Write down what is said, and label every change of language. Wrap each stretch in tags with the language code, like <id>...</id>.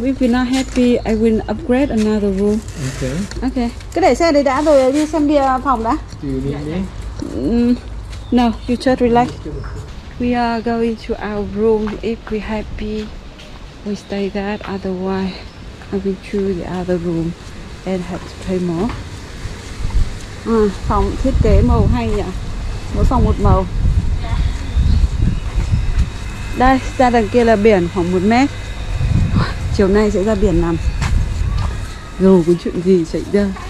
<en>If you're not happy, I will upgrade another room. Okay. Okay.</en> <vi>Cứ để xe đấy đã rồi đi xem bìa phòng đã.</vi> <en>No, you just relax. We are going to our room. If we're happy, we stay there. Otherwise, I will choose the other room and have to pay more.</en> <vi>Phòng thiết kế màu hay nhỉ? Mỗi phòng một màu. Đây, ra đằng kia là biển khoảng 1 mét. Chiều nay sẽ ra biển nằm. Dù có chuyện gì xảy ra.</vi>